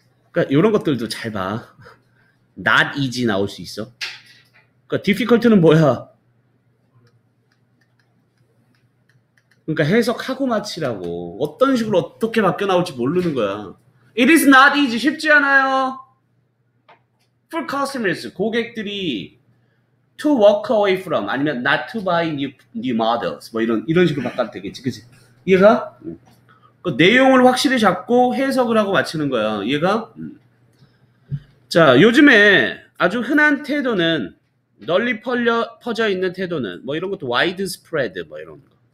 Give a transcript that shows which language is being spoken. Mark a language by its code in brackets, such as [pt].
[ko] 그러니까 이런 것들도 잘 봐. [en] Not easy [ko] 나올 수 있어. 그러니까 difficult는 뭐야? 그러니까 해석하고 마치라고. 어떤 식으로 어떻게 바뀌어 나올지 모르는 거야. [en] It is not easy. [ko] 쉽지 않아요. [en] For customers, [ko] 고객들이 [en] to walk away from, [ko] 아니면 [en] not to buy new models. [ko] 뭐 이런 식으로 바꿔도 되겠지. 그치? 이해가? 응. 내용을 확실히 잡고 해석을 하고 마치는 거야. 이해가? 자, 요즘에 아주 흔한 태도는 널리 퍼져 있는 태도는 뭐 이런 것도 wide spread 뭐 이런 거.